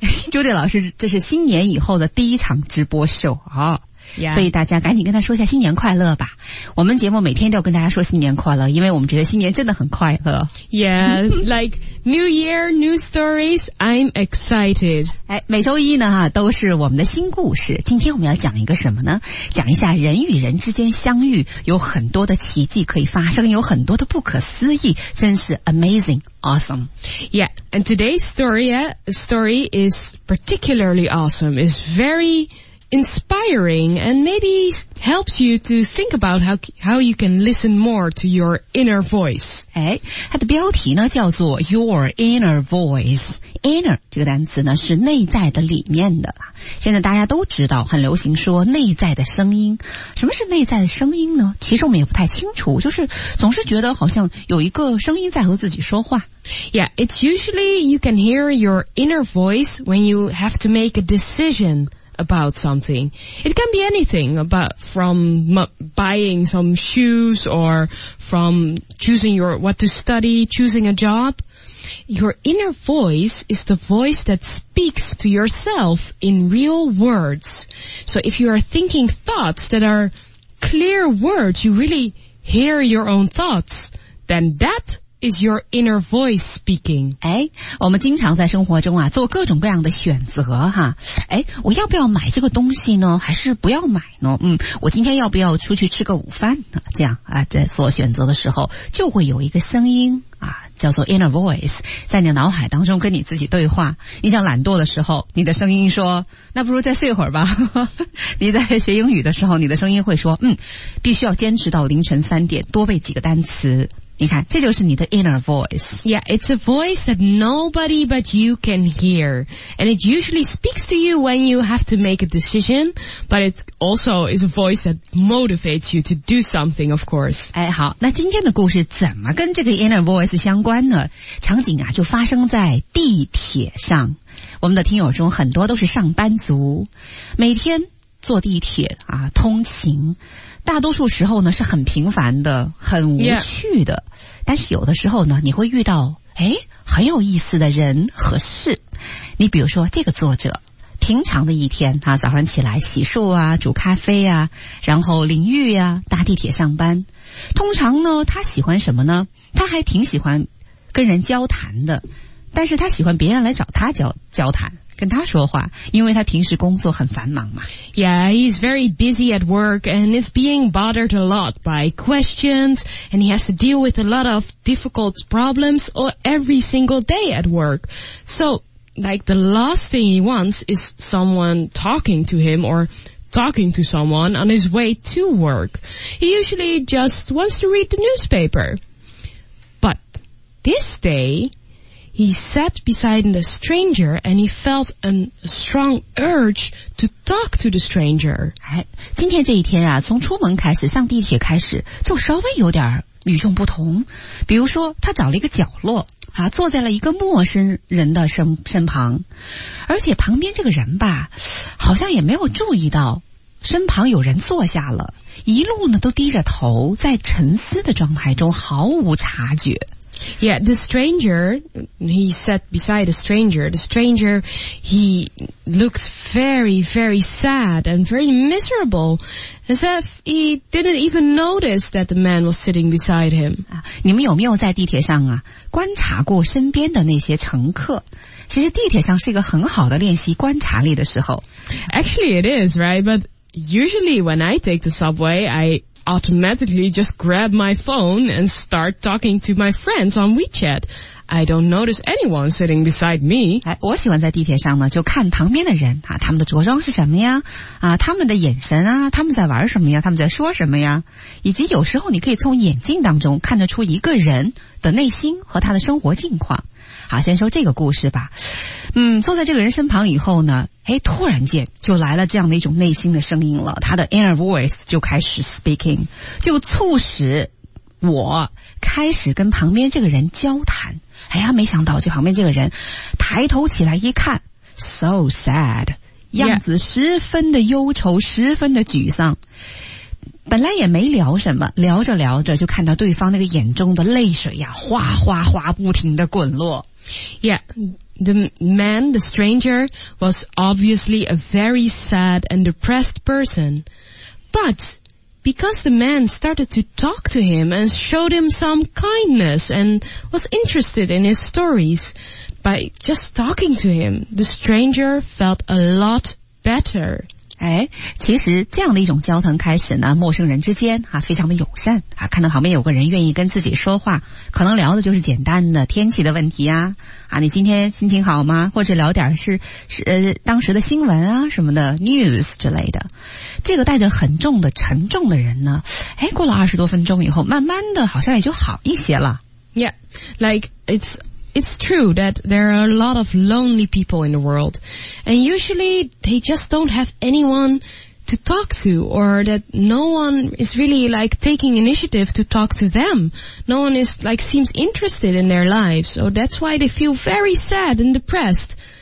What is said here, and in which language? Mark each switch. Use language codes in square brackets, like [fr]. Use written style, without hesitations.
[zh] Judy 老师，这是新年以后的第一场直播秀啊。 [en] Yeah. [zh] 所以大家赶紧跟他说一下新年快乐吧。我们节目每天都跟大家说新年快乐，因为我们觉得新年真的很快乐。 [en] Yeah, like New Year, New Stories, I'm excited. [zh] 每周一呢都是我们的新故事。今天我们要讲一个什么呢？讲一下人与人之间相遇，有很多的奇迹可以发生，有很多的不可思议，真是 [en] amazing, awesome. Yeah, and today's story is particularly awesome. It's very... inspiring and maybe helps you to think about how you can listen more to your inner voice. [zh] 它的标题呢叫做 [en] Your Inner Voice. [zh] Inner 这个单词呢是内在的里面的。现在大家都知道很流行说内在的声音。什么是内在的声音呢？其实我们也不太清楚，就是总是觉得好像有一个声音在和自己说话。 [en] Yeah, it's usually you can hear your inner voice when you have to make a decision. About something. It can be anything, but from buying some shoes or from choosing what to study, choosing a job. Your inner voice is the voice that speaks to yourself in real words. So if you are thinking thoughts that are clear words, you really hear your own thoughts, then thatIs your inner voice speaking? [zh] 我们经常在生活中啊做各种各样的选择哈。我要不要买这个东西呢？还是不要买呢？我今天要不要出去吃个午饭呢？这样啊，在做选择的时候，就会有一个声音啊，叫做 inner voice， 在你的脑海当中跟你自己对话。你想懒惰的时候，你的声音说：“那不如再睡会儿吧。 ”你在学英语的时候，你的声音会说：“必须要坚持到凌晨三点，多背几个单词。” 你看，这就是你的 inner voice. [en] Yeah, it's a voice that nobody but you can hear. And it usually speaks to you when you have to make a decision, but it also is a voice that motivates you to do something, of course. [zh] 好，那今天的故事怎么跟这个 inner voice 相关呢？场景啊，就发生在地铁上。我们的听友中很多都是上班族，每天坐地铁啊，通勤。大多数时候呢是很平凡的，很无趣的、 [en] yeah. [zh] 但是有的时候呢你会遇到很有意思的人和事。你比如说这个作者平常的一天啊，早上起来洗漱啊，煮咖啡啊，然后淋浴啊，搭地铁上班。通常呢他喜欢什么呢？他还挺喜欢跟人交谈的，但是他喜欢别人来找他交谈跟他说话，因为他平时工作很繁忙嘛。 [en] Yeah, he's very busy at work and is being bothered a lot by questions and he has to deal with a lot of difficult problems every single day at work. So, like the last thing he wants is someone talking to him or talking to someone on his way to work. He usually just wants to read the newspaper. But this day... He sat beside the stranger and he felt a strong urge to talk to the stranger. [zh] 今天这一天啊，从出门开始，上地铁开始，就稍微有点与众不同。比如说，他找了一个角落啊，坐在了一个陌生人的身旁，而且旁边这个人吧，好像也没有注意到身旁有人坐下了，一路呢都低着头，在沉思的状态中毫无察觉。 [en] Yeah, the stranger, he sat beside a stranger. The stranger, he looked very, very sad and very miserable, as if he didn't even notice that the man was sitting beside him. [zh] 你们有没有在地铁上啊，观察过身边的那些乘客？其实地铁上是一个很好的练习观察力的时候。 [en] Actually, it is, right? But usually when I take the subway, I automatically just grab my phone and start talking to my friends on WeChat. I don't notice anyone sitting beside me. [zh] 我喜欢在地铁上呢，就看旁边的人啊，他们的着装是什么呀？啊，他们的眼神啊，他们在玩什么呀？他们在说什么呀？以及有时候你可以从眼镜当中看得出一个人的内心和他的生活境况。好，先说这个故事吧。坐在这个人身旁以后呢，突然间就来了这样的一种内心的声音了，他的 inner voice 就开始 speaking， 就促使我开始跟旁边这个人交谈，哎呀，没想到就旁边这个人抬头起来一看 ， [en] so sad， [zh] 样子十分的忧愁，十分的沮丧。本来也没聊什么，聊着聊着就看到对方那个眼中的泪水呀，哗哗哗不停的滚落。 [en] Yeah, the man, the stranger, was obviously a very sad and depressed person. But because the man started to talk to him and showed him some kindness and was interested in his stories, by just talking to him, the stranger felt a lot better. [zh] 哎，其实这样的一种交谈开始呢，陌生人之间啊，非常的友善啊，看到旁边有个人愿意跟自己说话，可能聊的就是简单的天气的问题啊，啊，你今天心情好吗？或者聊点是当时的新闻啊什么的 news 之类的。这个带着很重的沉重的人呢，哎，过了20多分钟以后，慢慢的好像也就好一些了。 [en] Yeah, like it's true that there are a lot of lonely people in the world, and usually they just don't have anyone to talk to, or that no one is really like taking initiative to talk to them. No one is like seems interested in their lives, so that's why they feel very sad and depressed.